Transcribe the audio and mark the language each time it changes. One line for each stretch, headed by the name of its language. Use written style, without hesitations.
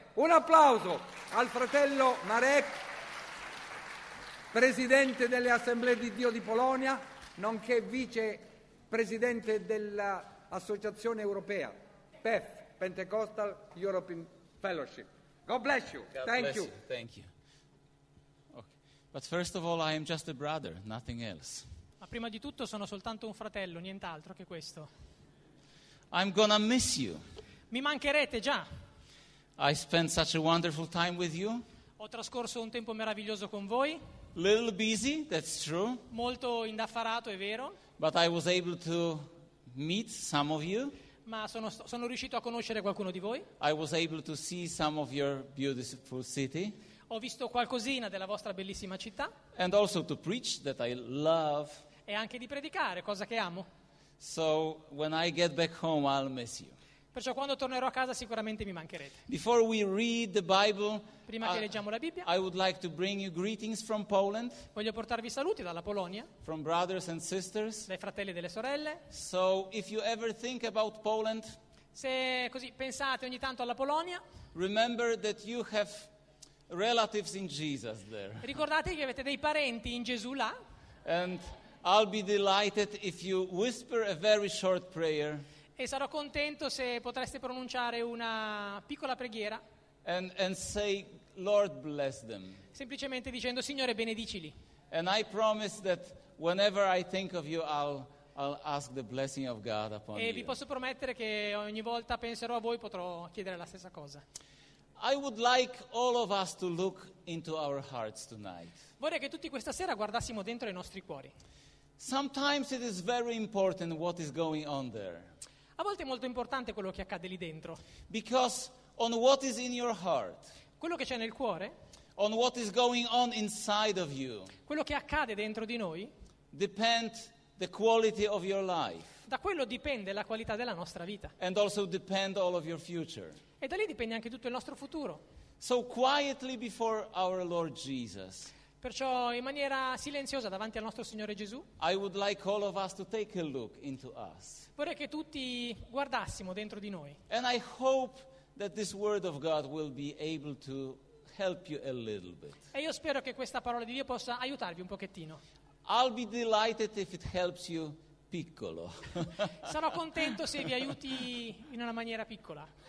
Italian: Un applauso al fratello Marek, presidente delle Assemblee di Dio di Polonia, nonché vice presidente dell'Associazione Europea, PEF, Pentecostal European Fellowship.
English: God bless you. God Thank bless you. You. Thank you. Okay. But first of all, I am just a brother, nothing else.
Italian: Ma prima di tutto sono soltanto un fratello, nient'altro che questo.
English: I'm gonna miss you.
Italian: Mi mancherete già.
English: I spent such a wonderful time with you.
Italian: Ho trascorso un tempo meraviglioso con voi.
English: Little busy, that's true.
Italian: Molto indaffarato, è vero.
English: But I was able to meet some of you.
Italian: Ma sono riuscito a conoscere qualcuno di voi.
English: I was able to see some of your beautiful city.
Italian: Ho visto qualcosina della vostra bellissima città.
English: And also to preach, that I love.
Italian: E anche di predicare, cosa che amo.
English: So when I get back home, I'll miss you.
Italian: Perciò quando tornerò a casa sicuramente mi mancherete.
English: Before we read the Bible,
Italian: prima che leggiamo la Bibbia,
English: I would like to bring you greetings from Poland.
Italian: Voglio portarvi saluti dalla Polonia.
English: From brothers and sisters.
Italian: Dai fratelli e delle sorelle.
English: So if you ever think about Poland,
Italian: se così pensate ogni tanto alla Polonia,
English: remember that you have relatives in Jesus there.
Italian: Ricordate che avete dei parenti in Gesù là.
English: And I'll be delighted if you whisper a very short prayer.
Italian: E sarò contento se potreste pronunciare una piccola preghiera.
English: And say, Lord bless them.
Italian: Semplicemente dicendo, Signore, benedicili.
English: And I promise that whenever I think of you, I'll ask the blessing of God upon you.
Italian: E vi posso promettere che ogni volta penserò a voi potrò chiedere la stessa cosa.
English: I would like all of us to look into our hearts tonight.
Italian: Vorrei che tutti questa sera guardassimo dentro i nostri cuori.
English: Sometimes it is very important what is going on there.
Italian: A volte è molto importante quello che accade lì dentro.
English: Because on what is in your heart,
Italian: quello che c'è nel cuore,
English: on what is going on inside of you,
Italian: quello che accade dentro di noi,
English: depend the quality of your life.
Italian: Da quello dipende la qualità della nostra vita.
English: And also depend all of your future.
Italian: E da lì dipende anche tutto il nostro futuro.
English: So quietly before our Lord Jesus.
Italian: Perciò in maniera silenziosa davanti al nostro Signore Gesù.
English: I would like all of us to take a look into us.
Italian: Vorrei che tutti guardassimo dentro di noi.
English: And I hope that this word of God will be able to help you a little bit.
Italian: E io spero che questa parola di Dio possa aiutarvi un pochettino.
English: I'll be delighted if it helps you piccolo.
Italian: Sarò contento se vi aiuti in una maniera piccola.